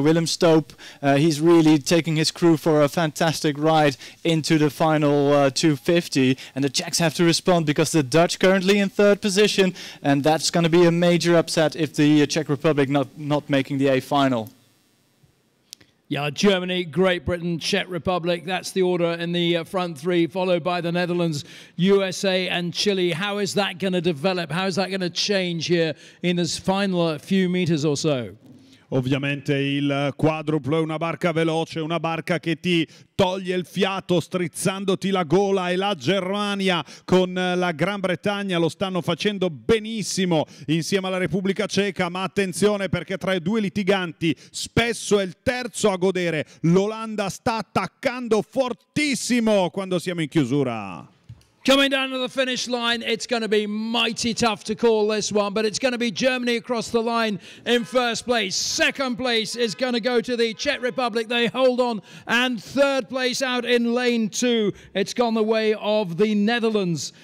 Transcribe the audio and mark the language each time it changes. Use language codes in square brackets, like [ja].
[en] Willem Stoop, he's really taking his crew for a fantastic ride into the final 250, and the Czechs have to respond because the Dutch currently in third position, and that's going to be a major upset if the Czech Republic not making the A final. Yeah, Germany, Great Britain, Czech Republic, that's the order in the front three, followed by the Netherlands, USA and Chile. How is that going to develop? How is that going to change here in this final few meters or so? [it] Ovviamente il quadruplo è una barca veloce, una barca che ti toglie il fiato strizzandoti la gola, e la Germania con la Gran Bretagna lo stanno facendo benissimo insieme alla Repubblica Ceca, ma attenzione perché tra i due litiganti spesso è il terzo a godere. L'Olanda sta attaccando fortissimo quando siamo in chiusura. [en] Coming down to the finish line, it's going to be mighty tough to call this one, but it's going to be Germany across the line in first place. Second place is going to go to the Czech Republic. They hold on. And third place out in lane two, it's gone the way of the Netherlands.